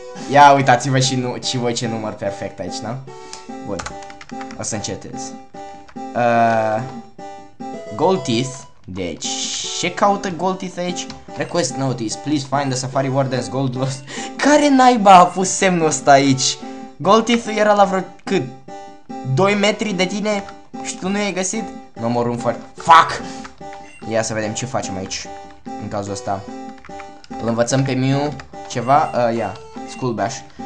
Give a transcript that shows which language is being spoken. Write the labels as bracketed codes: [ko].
[ro] Ia uitați-vă și nu, și voi ce număr perfect aici, nu? Bun, o să încetez. Goldteeth, deci, ce caută Goldteeth aici? [en] Request notice, please find the Safari Warden's Gold Lost. [ro] Care naiba a pus semnul ăsta aici? Goldteeth era la vreo cât? 2 metri de tine? Și tu nu i-ai găsit? Mă mor un foarte... Fuck! Ia să vedem ce facem aici, în cazul ăsta. Îl învățăm pe Miu ceva, Skullbash.